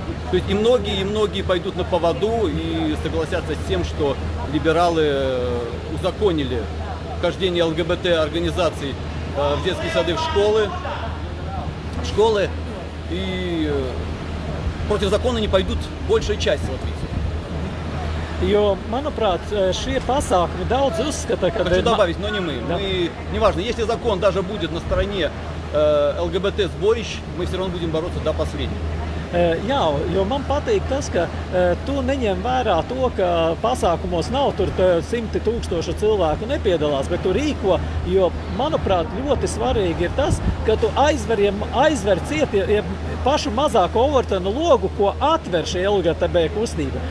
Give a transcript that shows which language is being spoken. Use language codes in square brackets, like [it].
[ru] То есть и многие пойдут на поводу и согласятся с тем, что либералы узаконили вхождение ЛГБТ-организаций в детские сады, в школы, и против закона не пойдут большая часть Латвии. [lv] Jo, manuprāt, šie pasākumi daudz uzskata, ka... [ru] Хочу добавить, но не мы. Да. Мы, неважно, если закон даже будет на стороне ЛГБТ-сборищ, мы все равно будем бороться до последнего. [lv] Jā, jo man patīk tas, ka tu neņem vērā to, ka pasākumos nav, tur 100 tūkstošu cilvēku nepiedalās, bet tu rīko, jo, manuprāt, ļoti svarīgi ir tas, ka tu aizver cieti pašu mazāku Overtonu logu, ko atver šie LGTB kustība.